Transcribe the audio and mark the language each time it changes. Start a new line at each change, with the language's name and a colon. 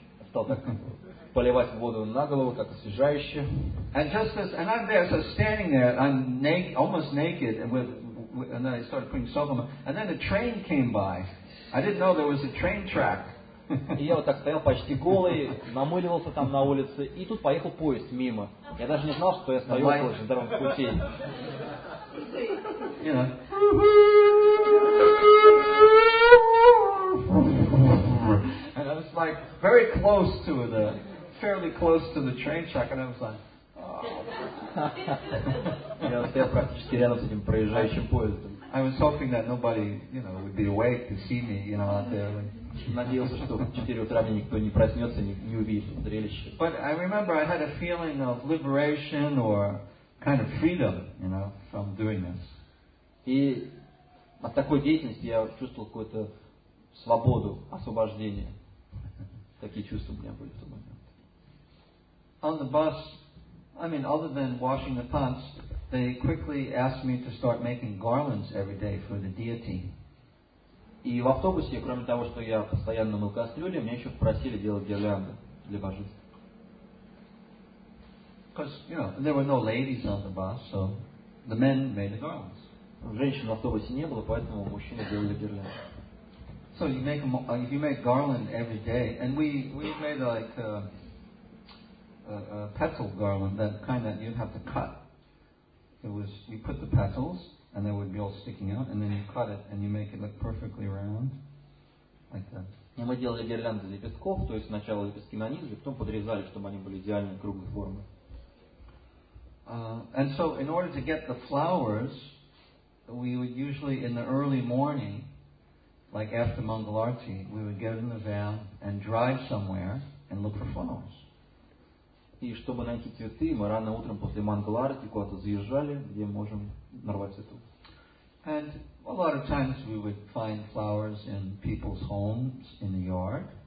Russian: Стал так поливать воду на голову, как освежающе.
English: And just as, and I'm there, so standing there, I'm naked, almost naked, and then I started putting soap on my, and then a train came by. I didn't know there was a train track.
Russian: И я вот так стоял почти голый, намыливался там на улице, и тут поехал поезд мимо. Я даже не знал, что я стою на железнодорожном пути.
English: And I was like very close to the, fairly close to the train track, and I was like,
Russian: я стоял практически рядом с этим проезжающим поездом.
English: I was hoping that nobody, you know, would be awake to see me, you know, out there.
Russian: Надеялся, что в 4 утра мне никто не проснется, не увидит зрелище.
English: But I remember I had a feeling of liberation or kind of freedom, you know, from doing this.
Russian: И от такой деятельности я чувствовал какую-то свободу, освобождение. Такие чувства у меня были в тот момент.
English: On the bus, I mean, other than washing the pots, they quickly asked me to start making garlands every day for the deity.
Russian: И в автобусе, кроме того, что я постоянно мыл кастрюли, меня еще попросили делать гирлянды для божеств.
English: Because, you know, there were no ladies on the bus, so the men made the garlands.
Russian: Женщин в автобусе не было, поэтому мужчины делали гирлянды.
English: So you make a, if you make garland every day, and we made like a petal garland, that kind that you'd have to cut. It was, you put the petals, and they would be all sticking out, and then you cut it, and you make it look perfectly round, like that.
Russian: И мы делали гирлянды лепестков, то есть сначала лепестки нанизили, потом подрезали, чтобы они были идеальной круглой формы.
English: And so, in order to get the flowers, we would usually, in the early morning, like after Mangalarti, we would get in the van and drive somewhere and look for flowers.
Russian: И чтобы найти цветы, мы рано утром после Мангаларти куда-то заезжали, где можем нарвать цветы.
English: And a lot of times we would find flowers in people's homes in the yard.